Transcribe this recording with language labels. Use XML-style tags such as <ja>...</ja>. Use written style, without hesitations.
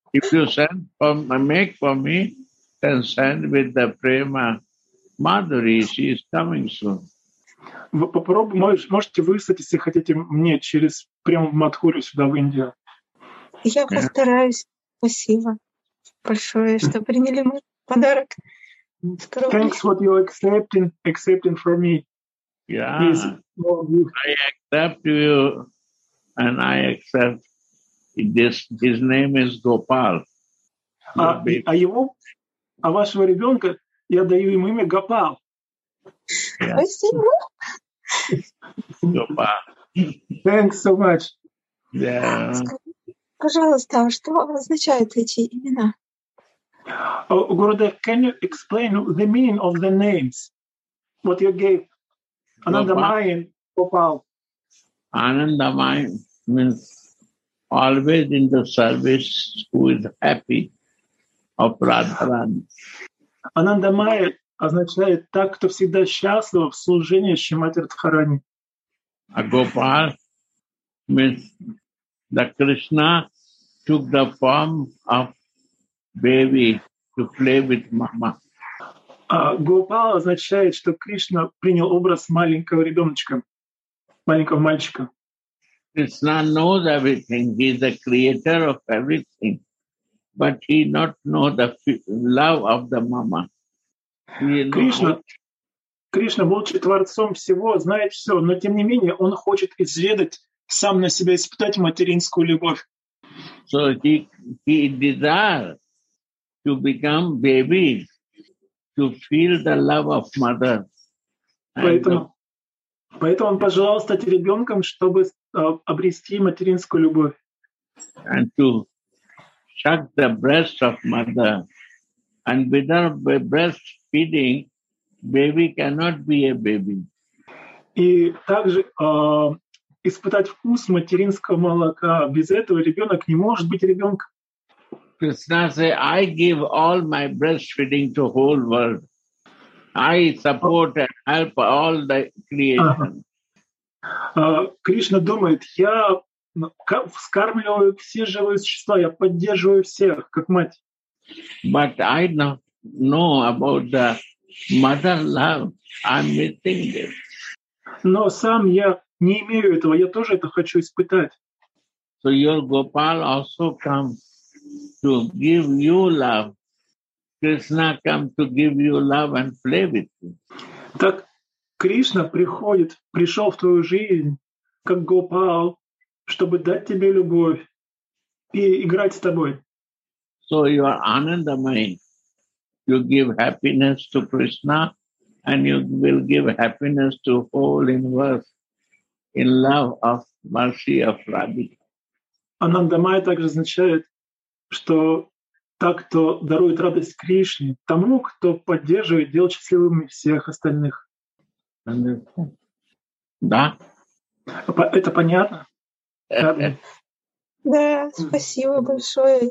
<en>If you send for make for me, then send with the prema Madhuri. She is coming soon.</en> <ru>Вы попробуй, можете выслать, если хотите мне через прему Мадхури сюда в Индию. Я yeah. постараюсь. Спасибо большое, что приняли мой подарок.</ru> <en>Thanks what you accepting for me. Yeah, I accept you, and I accept this. His name is Gopal.</en> <ru>А его, а вашего ребенка я даю ему имя Гопал. Спасибо. Гопал.</ru> <en>Thanks so much. Yeah.</en> <ru>Пожалуйста, что означают эти имена?</ru> <en>Gurudev, can you explain the meaning of the names? What you gave? Anandamayin, Gopal. Anandamayin means always in the service who is happy of Radharani.</en> <ru>Anandamaya означает так, кто всегда счастлив в служении Шримати Радхарани.</ru> <en>A Gopal means that Krishna took the form of baby to play with mama.</en> <ru>Гопал означает, что Кришна принял образ маленького ребеночка. маленького мальчика.</ru> <en>Krishna knows everything. He is the creator of everything. But he not know the love of the mama.</en> <ru>Кришна, будучи творцом всего, знает все, но тем не менее он хочет изведать, сам на себя испытать материнскую любовь.</ru> <en>So he desire to become baby, to feel the love of mother.</en> <ru>Поэтому он пожелал стать ребенком, чтобы обрести материнскую любовь.</ru> <en>And to suck the breast of mother. And without breastfeeding, baby cannot be a baby.</en> <ru>И также испытать вкус материнского молока. Без этого ребенок не может быть ребенком.</ru> <en>Krishna says, I give all my breastfeeding to whole world. I support and help all the creation.</en> <ru>Кришна думает, я вскармливаю все живые существа, я поддерживаю всех, как мать.</ru> <en>But I don't know about the mother love. I'm missing this.</en> <ru>Но сам я не имею этого, я тоже это хочу испытать.</ru> <en>So your Gopal also come to give you love. Krishna come to give you love and play with you.</en> <ru>Так Кришна приходит, пришел в твою жизнь, как Гопал, чтобы дать тебе любовь и играть с тобой.</ru> <en>So you are Anandamai. You give happiness to Krishna and you will give happiness to whole universe in love of mercy of Radhika.</en> <ru>Anandamai также означает, что та, кто дарует радость Кришне, тому, кто поддерживает, делает счастливыми всех остальных. Да. Это понятно? Да, спасибо большое.</ru>